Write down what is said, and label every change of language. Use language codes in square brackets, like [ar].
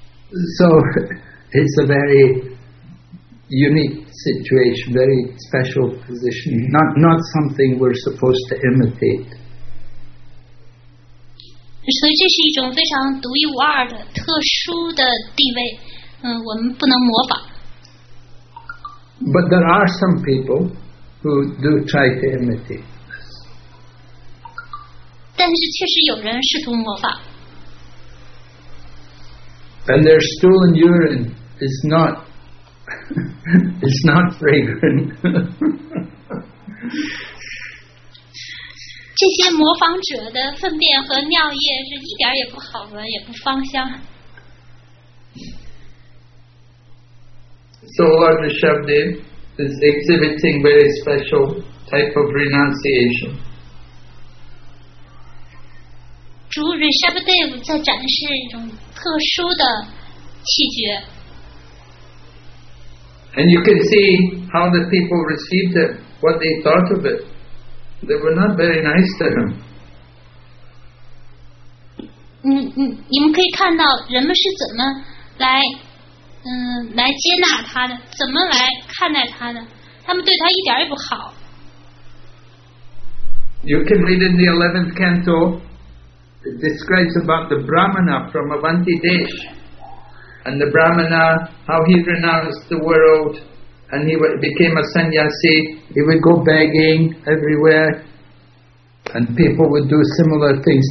[en] So it's a very unique situation, very special position. Not something we're supposed to imitate. [zh] 所以这是一种非常独一无二的特殊的地位，我们不能模仿。 [en] But there are some people who do try to imitate. [zh] 但是确实有人试图模仿。 [en] And their stool and urine is not, it's not fragrant. [zh] 这些模仿者的粪便和尿液是一点也不好闻，也不芳香。 [en] So Lord Rishabhadev is exhibiting very special type of renunciation. [zh] 主 Rishabhdev 在展示一种特殊的气节。 [en] And you can see how the people received it, what they thought of it. They were not very nice to him. [zh] 你们可以看到人们是怎么来来接纳他的，怎么来看待他的，他们对他一点也不好。 [en] You can read in the 11th canto, it describes about the Brahmana from Avanti Desh. And the Brahmana, how he renounced the world and he became a sannyasi. He would go begging everywhere and people would do similar things.